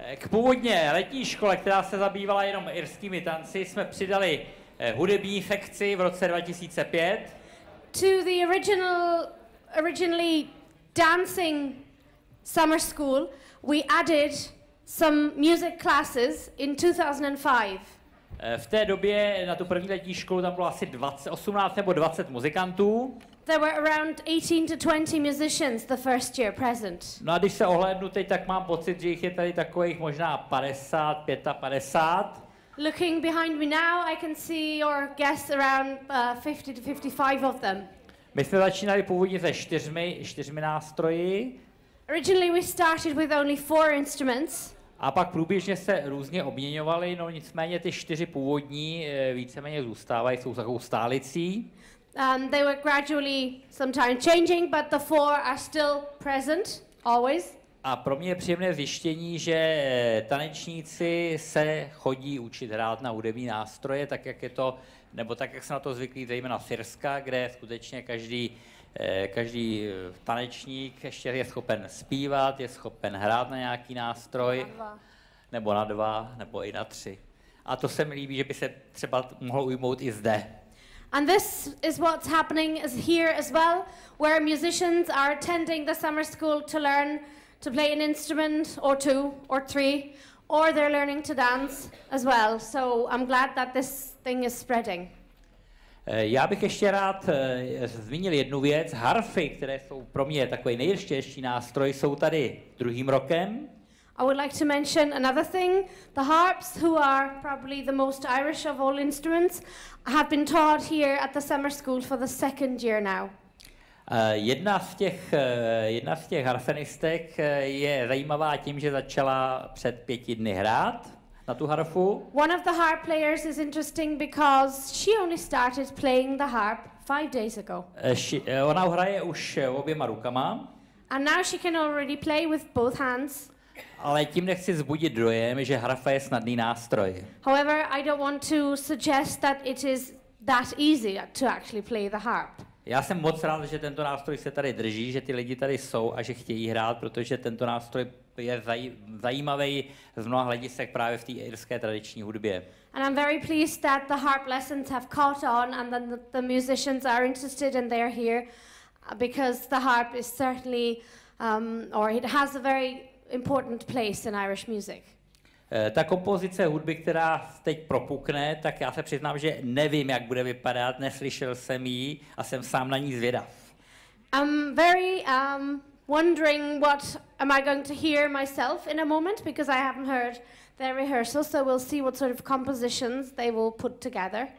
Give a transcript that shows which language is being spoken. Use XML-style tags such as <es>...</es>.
<cs>Původně letní škole, která se zabývala jenom irskými tanci, jsme přidali hudební sekci v roce 2005.</cs> <en>To the originally dancing summer school, we added some music classes in 2005.</en> <cs>V té době na tu první letní školu tam bylo asi 18 nebo 20 muzikantů.</cs> <en>There were around 18 to 20 musicians the first year present.</en> <cs>No, když se ohlédnu teď, tak mám pocit, že jich je tady takových možná 50, 55.</cs> <en>Looking behind me now, I can see or guess around 50 to 55 of them.</en> <cs>My jsme začínali původně se čtyřmi nástroji.</cs> <en>Originally we started with only four instruments.</en> <cs>A pak průběžně se různě obměňovali, no nicméně ty čtyři původní víceméně zůstávají, jsou takovou stálicí.</cs> <en>They were gradually sometimes changing, but the four are still present, always.</en> <cs>A pro mě je příjemné zjištění, že tanečníci se chodí učit hrát na hudební nástroje, tak jak je to, nebo tak, jak se na to zvyklí, zejména Syrska, kde skutečně každý tanečník ještě je schopen zpívat, je schopen hrát na nějaký nástroj, nebo na dva, nebo i na tři. A to se mi líbí, že by se třeba mohlo ujmout i zde.</cs> <en>And this is what's happening is here as well, where musicians are attending the summer school to learn to play an instrument or two or three, or they're learning to dance as well. So I'm glad that this thing is spreading.</en> <cs>Já bych ještě rád zmínil jednu věc. Harfy, které jsou pro mě takový nejdůležitější nástroj, jsou tady druhým rokem.</cs> <en>I would like to mention another thing. The harps, who are probably the most Irish of all instruments, have been taught here at the summer school for the second year now.</en> <cs>Jedna z těch harfenistek je zajímavá tím, že začala před 5 dny hrát na tu harfu.</cs> <en>One of the harp players is interesting because she only started playing the harp 5 days ago.</en> <cs>Ona hraje už oběma rukama.</cs> <en>And now she can already play with both hands.</en> <cs>Ale tím nechci vzbudit dojem, že harfa je snadný nástroj.</cs> <en>However, I don't want to suggest that it is that easy to actually play the harp.</en> <cs>Já jsem moc rád, že tento nástroj se tady drží, že ty lidi tady jsou a že chtějí hrát, protože tento nástroj je zajímavý z mnoha hledisek právě v té irské tradiční hudbě.</cs> <en>And I'm very pleased that the harp lessons have caught on and that the musicians are interested and they're here because the harp is certainly or it has a very important place in Irish music.</en> <cs>Ta kompozice hudby, která teď propukne, tak já se přiznám, že nevím, jak bude vypadat, neslyšel jsem ji a jsem sám na ní zvědav.</cs> <en>I'm very wondering what am I going to hear myself in a moment because I haven't heard their rehearsal, so we'll see what sort of compositions they will put together.</en>